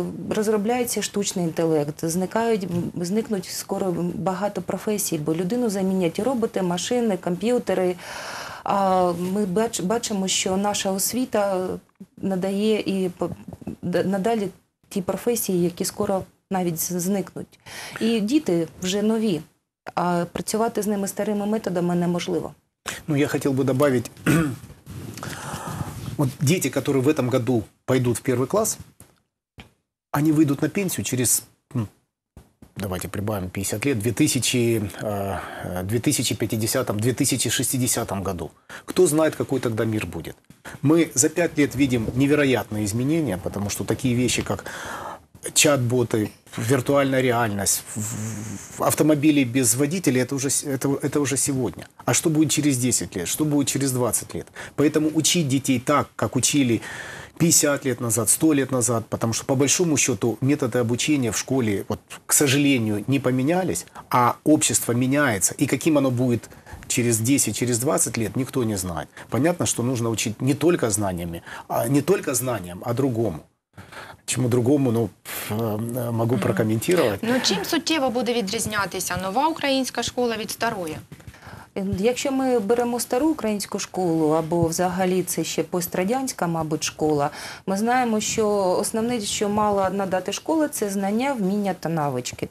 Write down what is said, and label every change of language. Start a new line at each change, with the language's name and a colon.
Ukrainian: Розробляється штучний інтелект, зникнуть скоро багато професій, бо людину замінять і роботи, машини, комп'ютери. А ми бачимо, що наша освіта надає і надалі ті професії, які скоро навіть зникнуть. І діти вже нові, а працювати з ними старими методами неможливо.
Russian: Ну, я хотел бы добавить, вот дети, которые в этом году пойдут в первый класс, они выйдут на пенсию через, давайте прибавим 50 лет, в 2050-2060 году. Кто знает, какой тогда мир будет? Мы за 5 лет видим невероятные изменения, потому что такие вещи, как чат-боты, виртуальная реальность, автомобили без водителей – это уже сегодня. А что будет через 10 лет? Что будет через 20 лет? Поэтому учить детей так, как учили 50 лет назад, 100 лет назад, потому что, по большому счету, методы обучения в школе, вот, к сожалению, не поменялись, а общество меняется. И каким оно будет через 10, через 20 лет, никто не знает. Понятно, что нужно учить не только знаниями, а не только знаниям, а другому.
Ukrainian: Чому другому, ну, можу прокоментувати. Ну, чим суттєво буде відрізнятися нова українська школа від старої? Якщо ми беремо стару українську школу, або взагалі це ще пострадянська, мабуть, школа, ми знаємо, що основне, що мала надати школа, це знання, вміння та навички.